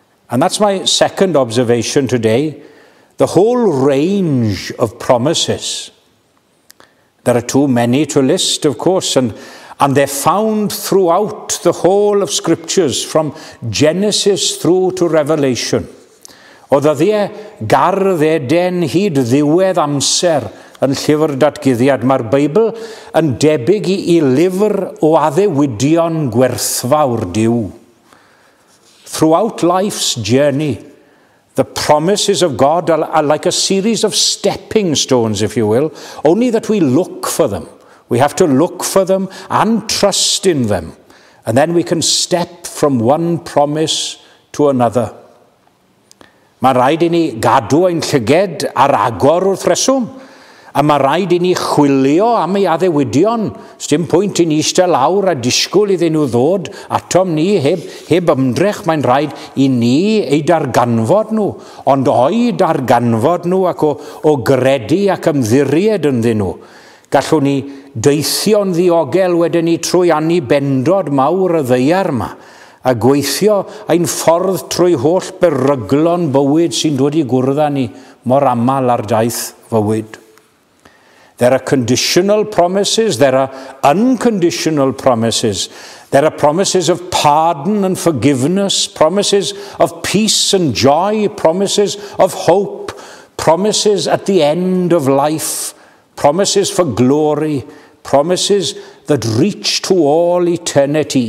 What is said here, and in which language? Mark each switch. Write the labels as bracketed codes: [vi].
[en] And that's my second observation today. The whole range of promises. There are too many to list, of course, and they're found throughout the whole of scriptures, from Genesis through to Revelation. [cy] Oedd ydi e gardd e den hyd ddiwedd amser yn llyfr datguddiad. Mae'r Beibl yn debyg i lyfr o addewidion gwerthfawr Dyw. [en] Throughout life's journey, the promises of God are like a series of stepping stones, if you will, only that we look for them. We have to look for them and trust in them. And then we can step from one promise to another. [cy] Mae'n rhaid i ni gadw ein llyged ar agor wrth reswm. A mae'n rhaid i ni chwilio am ei addewidion. Sdim pwynt i ni eistedd lawr a disgwyl iddyn nhw ddod atom ni heb ymdrech. Mae'n rhaid i ni ei darganfod nhw. Ond o'i darganfod nhw ac o gredu ac ymddiried ynddyn nhw. Gallwn ni deithio'n ddiogel wedyn ni trwy annibendod mawr y ddaear yma. A gweithio ein ffordd trwy holl beryglon bywyd sy'n dod i gwrdd â ni mor aml ar daith fywyd. [en] There are conditional promises, there are unconditional promises. There are promises of pardon and forgiveness, promises of peace and joy, promises of hope, promises at the end of life, promises for glory, promises that reach to all eternity.